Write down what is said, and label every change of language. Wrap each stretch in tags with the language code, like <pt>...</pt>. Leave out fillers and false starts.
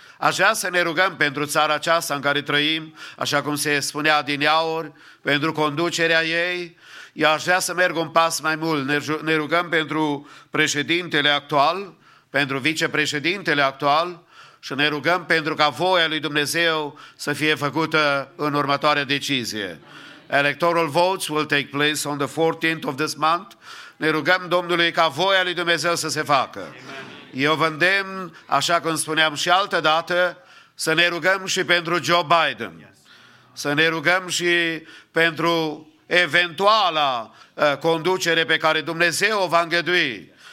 <ro>Aș vrea să ne rugăm pentru țara aceasta în care trăim, așa cum se spunea din Iaur, pentru conducerea ei. Eu aș vrea să merg un pas mai mult. Ne rugăm pentru președintele actual, pentru vicepreședintele actual și ne rugăm pentru ca voia lui Dumnezeu să fie făcută în următoarea decizie.</ro> <en>Electoral votes will take place on the 14th of this month.</en> <ro>Ne rugăm Domnului ca voia lui Dumnezeu să se facă. Amen. Eu vă îndemn, așa cum spuneam și altă dată, să ne rugăm și pentru Joe Biden. Să ne rugăm și pentru eventuala conducere pe care Dumnezeu o va îngădui.</ro>